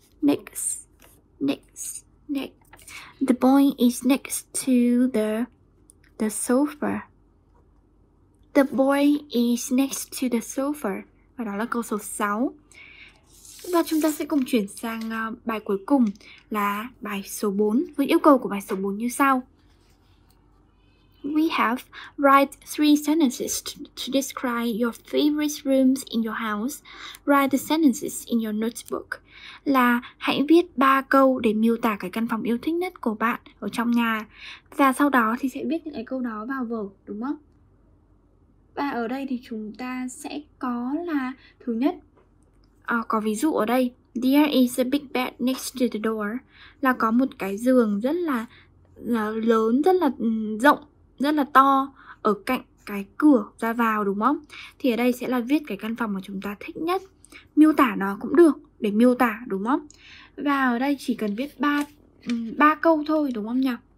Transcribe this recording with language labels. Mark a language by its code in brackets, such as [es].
[en] The boy is next to the sofa. The boy is next to the sofa. [vi] Và đó là câu số 6. Và chúng ta sẽ cùng chuyển sang bài cuối cùng là bài số 4. Với yêu cầu của bài số 4 như sau. [en] We have write 3 sentences to describe your favorite rooms in your house. Write the sentences in your notebook. [vi] Là hãy viết 3 câu để miêu tả cái căn phòng yêu thích nhất của bạn ở trong nhà. Và sau đó thì sẽ viết những cái câu đó vào vở, đúng không? Và ở đây thì chúng ta sẽ có là thứ nhất. Có ví dụ ở đây. [en] There is a big bed next to the door. [vi] Là có một cái giường rất là lớn, rất là rộng, rất là to ở cạnh cái cửa ra vào đúng không? Thì ở đây sẽ là viết cái căn phòng mà chúng ta thích nhất. Miêu tả nó cũng được, để miêu tả đúng không? Và ở đây chỉ cần viết 3 câu thôi đúng không nhỉ?